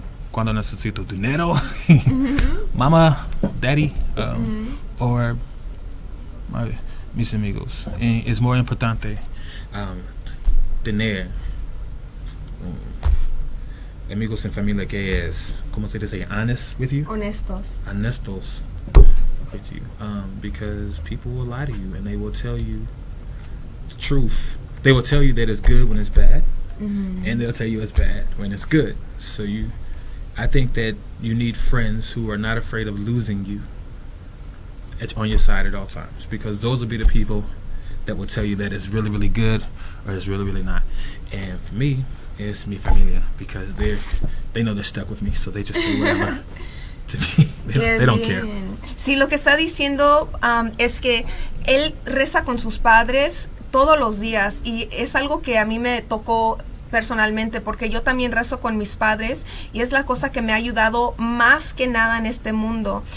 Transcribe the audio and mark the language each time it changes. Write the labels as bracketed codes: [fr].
[es] Cuando necesito dinero, mamá, [en] daddy, or [es] mis amigos. Y es muy importante tener amigos en familia que es, ¿cómo se dice? [en] Honest with you. [es] Honestos [en] with you. Because people will lie to you and they will tell you the truth. They will tell you that it's good when it's bad. Mm-hmm. And they'll tell you it's bad when it's good. So I think that you need friends who are not afraid of losing you on your side at all times, because those will be the people that will tell you that it's really, really good or it's really, really not. And for me, it's [es] mi familia, [en] because they know they're stuck with me, so they just say whatever to me. They don't care. [es] Sí, lo que está diciendo es que él reza con sus padres todos los días, y es algo que a mí me tocó personalmente, porque yo también rezo con mis padres, y es la cosa que me ha ayudado más que nada en este mundo.